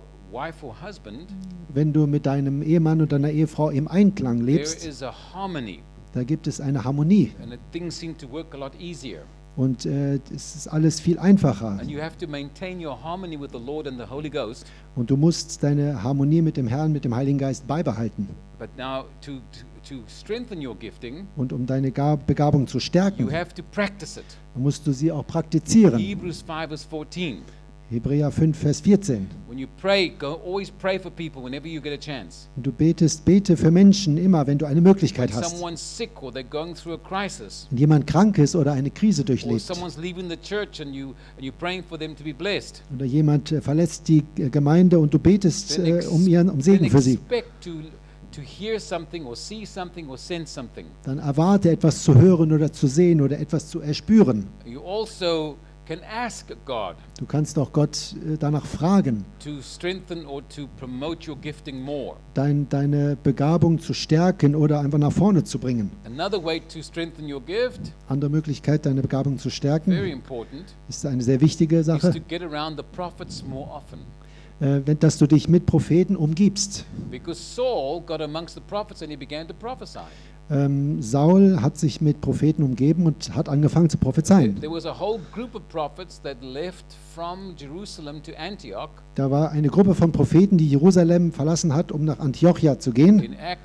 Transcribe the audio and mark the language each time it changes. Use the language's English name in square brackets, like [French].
[German] Wenn du mit deinem Ehemann und deiner Ehefrau im Einklang lebst, da gibt es eine Harmonie. Und Dinge scheinen viel einfacher zu werden. Und es ist alles viel einfacher. [English] And you have to maintain your harmony with the Lord and the Holy Ghost. [German] Und du musst deine Harmonie mit dem Herrn, mit dem Heiligen Geist beibehalten. [English] But now to strengthen your gifting, [German] und um deine Begabung zu stärken, [English] you have to practice it. [German] Musst du sie auch praktizieren. [English] Hebrews 5, verse 14. [German] Hebräer 5, Vers 14. [English] When you pray, go always pray for people whenever you get a chance. [German] Du betest, bete für Menschen immer, wenn du eine Möglichkeit hast. [English] Someone's sick or they're going through a crisis. [German] Wenn jemand krank ist oder eine Krise durchlebt. [English] Or someone's leaving the church and you're praying for them to be blessed. [German] Oder jemand verlässt die Gemeinde und du betest um Segen für sie. [English] To hear something or see something or sense something. [German] Dann erwarte etwas zu hören oder zu sehen oder etwas zu erspüren. [English] You also can ask God. [German] Du kannst auch Gott danach fragen. [English] To strengthen or to promote your gifting more. [German] Deine Begabung zu stärken oder einfach nach vorne zu bringen. [English] Another way to strengthen your gift. [German] Andere Möglichkeit, deine Begabung zu stärken. [English] Very important. [German] Ist eine sehr wichtige Sache. [English] Is to get around the prophets more often. [German] Dass du dich mit Propheten umgibst. [English] Because Saul got amongst the prophets and he began to prophesy. [German] Saul hat sich mit Propheten umgeben und hat angefangen zu prophezeien. Da war eine Gruppe von Propheten, die Jerusalem verlassen hat, um nach Antiochia zu gehen.